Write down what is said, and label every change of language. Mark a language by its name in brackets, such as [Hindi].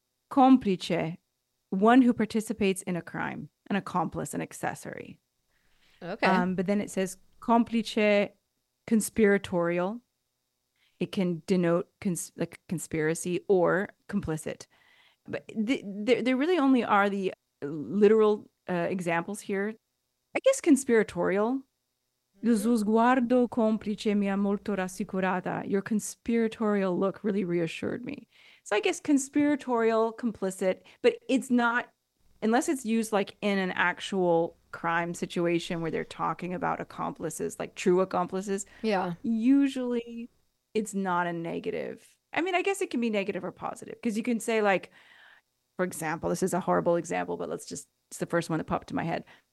[English] Complice, one who participates in a crime, an accomplice, an accessory. Okay. But then it says complice, conspiratorial. It can denote conspiracy or complicit. But there really only are the literal examples here. I guess conspiratorial. [Italian] Lo sguardo complice mi ha molto rassicurata. [English] Your conspiratorial look really reassured me. So I guess conspiratorial, complicit, but it's not, unless it's used like in an actual crime situation where they're talking about accomplices, like true accomplices. Yeah. Usually it's not a negative. I mean, I guess it can be negative or positive because you can say like, for example, this is a horrible example, but let's just, it's the first one that popped to my head.